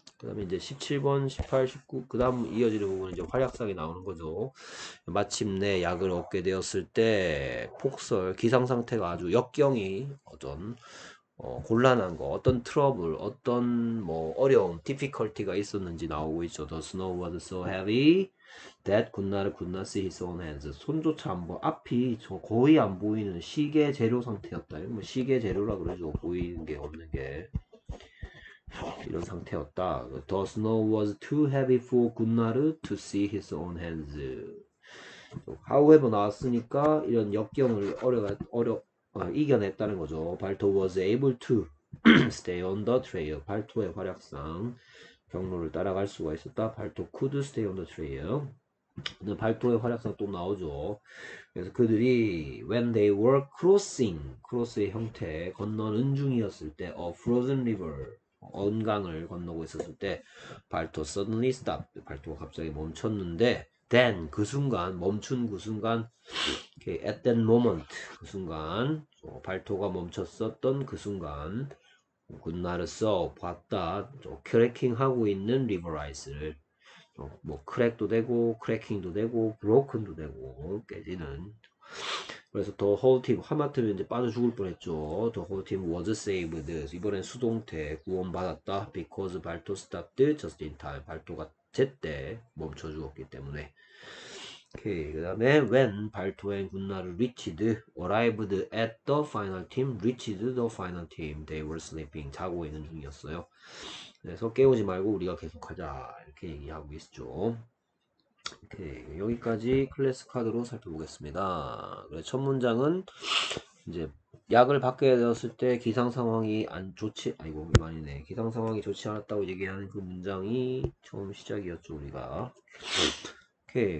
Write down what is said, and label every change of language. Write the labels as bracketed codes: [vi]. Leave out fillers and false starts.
[ko] 그다음에 이제 17번, 18, 19, 그다음 이어지는 부분은 이제 활약상이 나오는 거죠. 마침내 약을 얻게 되었을 때 폭설, 기상 상태가 아주 역경이 어떤 곤란한 거, 어떤 트러블, 어떤 뭐 어려움, 디피컬티가 있었는지 나오고 있죠. [en] The snow was so heavy that could not see his own hands. [ko] 손조차 안 보, 앞이 저 거의 안 보이는 시계 재료 상태였다. 뭐 시계 재료라 그러죠. 보이는 게 없는 게 이런 상태였다. [en] The snow was too heavy for Gunnar to see his own hands. [ko] However 나왔으니까 이런 역경을 이겨냈다는 거죠. [en] Balto was able to stay on the trail. [ko] 발토의 활약상 경로를 따라갈 수가 있었다. [en] Balto could stay on the trail. [ko] 발토의 활약상 또 나오죠. 그래서 그들이 [en] when they were crossing [ko] 의 형태 건너는 중이었을 때 [en] a frozen river [ko] 언강을 건너고 있었을 때 발토 [en] suddenly stopped. [ko] 발토가 갑자기 멈췄는데 then 그 순간 멈춘 그 순간 okay, at that moment 그 순간 발토가 멈췄었던 그 순간 군나르 saw 봤다 크래킹 하고 있는 리버 아이스를 뭐 크랙도 되고 크래킹도 되고 브로큰도 되고 깨지는 그래서 더 whole team 하마터면 이제 빠져 죽을 뻔했죠. [en] The whole team was saved. [ko] 이번엔 수동태 구원받았다. [en] Because Balto stopped just in time. [ko] 발토가 제때 멈춰 죽었기 때문에. 오케이. [en] 그다음에 when Balto and Gunnar reached arrived at the final team reached the final team they were sleeping [ko] 자고 있는 중이었어요. 그래서 깨우지 말고 우리가 계속하자 이렇게 얘기하고 있죠. 오케이. 여기까지 클래스 카드로 살펴보겠습니다. 그래, 첫 문장은 이제 약을 받게 되었을 때 기상 상황이 안 좋지, 아이고, 말이네. 기상 상황이 좋지 않았다고 얘기하는 그 문장이 처음 시작이었죠, 우리가. 오케이.